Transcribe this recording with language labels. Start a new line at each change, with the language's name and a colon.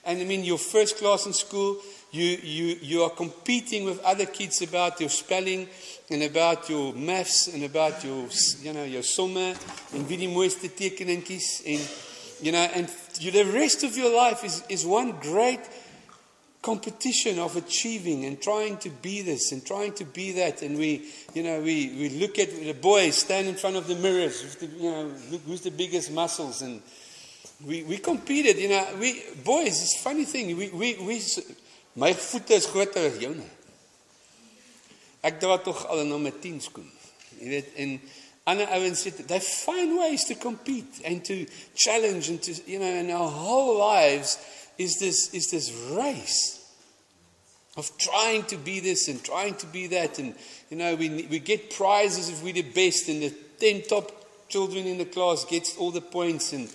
English: And I mean, your first class in school, you are competing with other kids about your spelling and about your maths and about your, you know, your sommer in wie die mooiste tekeningkies, and you know, and you, the rest of your life is one great competition of achieving and trying to be this and trying to be that. And we look at the boys standing in front of the mirrors, who's the biggest muscles, and we competed. You know, we boys, it's a funny thing. We my foot is groter as joune.
Afrikaans: Ek dra tog al 'n nommer 10 skoen.
English: You know, and ander ouens sê they find ways to compete and to challenge and to, you know, and our whole lives is this race of trying to be this and trying to be that. And you know, we get prizes if we're the best, and the 10 top children in the class gets all the points.